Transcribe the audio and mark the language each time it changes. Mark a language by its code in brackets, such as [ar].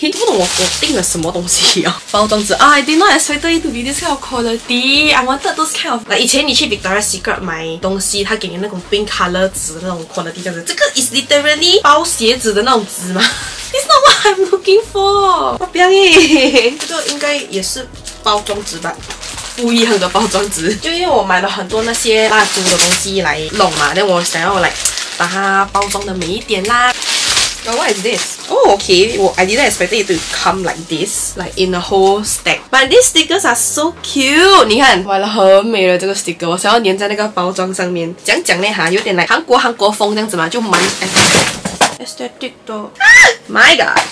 [zh] 不懂我订了什么东西啊？包装纸啊 [en] ！I did not expect it to be this kind of quality. I wanted those kind of. [zh] 以前你去 Victoria's Secret 买东西，他给你那种 pink color 纸那种 quality 这样子，这个 [en] is literally [zh] 包鞋子的那种纸吗 ？ [en] It's not what I'm looking for. [zh] 我不要耶！这个应该也是包装纸吧？不一样的包装纸，就因为我买了很多那些蜡烛的东西来弄嘛，那我想要来把它包装的美一点啦。 [en] Oh, what is this? Oh, okay. Well, I didn't expect it to come like this, like in a whole stack. But these stickers are so cute. [zh] 你看，买了很美的这个 sticker， 我想要粘在那个包装上面。讲讲呢哈，有点like韩国风这样子嘛，就蛮 aesthetic 的。 [en] My God,